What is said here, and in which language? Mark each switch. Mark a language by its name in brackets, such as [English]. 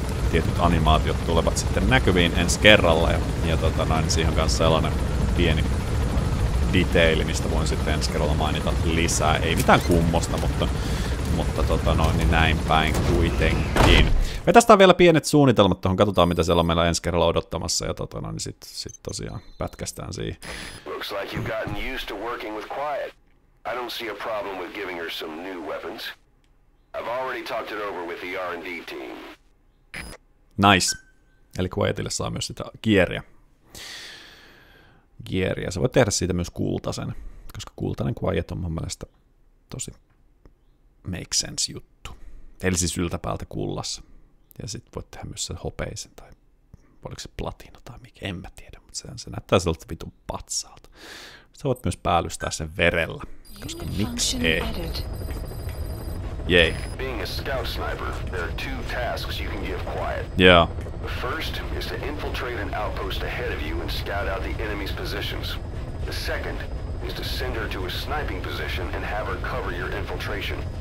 [Finnish] Tietyt animaatiot tulevat sitten näkyviin ensi kerralla. Ja tota noin, siihen kanssa sellainen pieni detaili, mistä voin sitten ensi kerralla mainita lisää. Ei mitään kummosta, mutta tota noin, niin näin päin kuitenkin. Vetästään vielä pienet suunnitelmat tuohon, katsotaan mitä siellä on meillä ensi kerralla odottamassa, ja tota noin, niin sit tosiaan pätkästään siihen. [English] Looks like you've gotten used to working with Quiet. I don't see a problem with giving her some new weapons. I've already talked it over with the R&D team. Nice. [Finnish] Eli Quietille saa myös sitä gearia. Sä voit tehdä siitä myös kultasen, koska kultainen Quiet on mun mielestä tosi [English] make sense [Finnish] juttu. Eli siis yltäpäältä kullassa. Ja sit voit tehdä myös sen hopeisen, tai oliko se platina tai mikä, en mä tiedä, mutta se näyttää siltä vitun patsaalta. Sä voit myös päällystää sen verellä, koska miksi ei. Jei. [English] Being a scout sniper, there are two tasks you can give Quiet. Yeah. The first is to infiltrate an outpost ahead of you and scout out the enemy's positions. The second is to send her to a sniping position and have her cover your infiltration.